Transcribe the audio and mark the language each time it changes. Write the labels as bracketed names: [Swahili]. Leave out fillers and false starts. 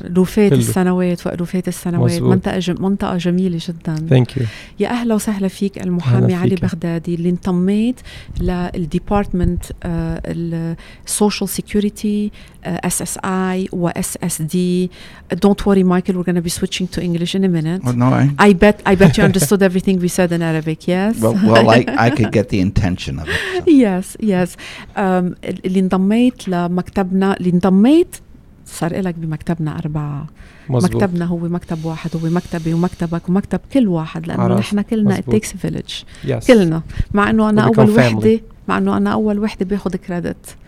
[Arabic] لوفات السنوات وألوفات السنوات. منطقة جميلة جدا. [English] Thank you. [Arabic] يا أهلا وسهلا فيك المحامي علي بغدادي اللي انتميت للديبارتمنت السوشيال سيكوريتي SSI وSSD. [English] Don't worry, Michael. We're going to be switching to English in a minute. Well, no, I bet you understood everything we said in Arabic. Yes. Well, I could get the intention of it. So. Yes. [Arabic] اللي انضميت لمكتبنا، اللي انضميت صار لك بمكتبنا 4. مزبوط. مكتبنا هو مكتب واحد، هو مكتبي ومكتبك ومكتب كل واحد، لأنه نحن كلنا [English] it takes a village. Yes. [Arabic] كلنا. مع إنه أنا أول وحدة باخذ كريدت.